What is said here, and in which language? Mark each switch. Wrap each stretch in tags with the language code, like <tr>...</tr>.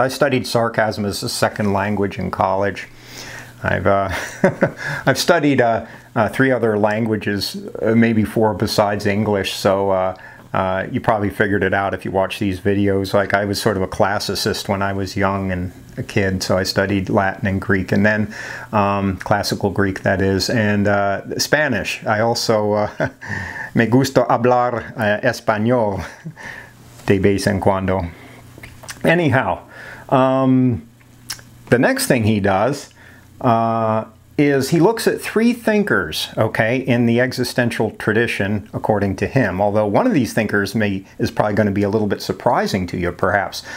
<en>I studied sarcasm as a second language in college. I've studied three other languages, maybe four besides English, so you probably figured it out if you watch these videos. Like, I was sort of a classicist when I was young and a kid, so I studied Latin and Greek, and then classical Greek, that is, and Spanish. I also,</en> <es>me gusta hablar español de vez en cuando.</es> <en>Anyhow, the next thing he does is he looks at three thinkers, okay, in the existential tradition, according to him, although one of these thinkers is probably going to be a little bit surprising to you, perhaps.</en>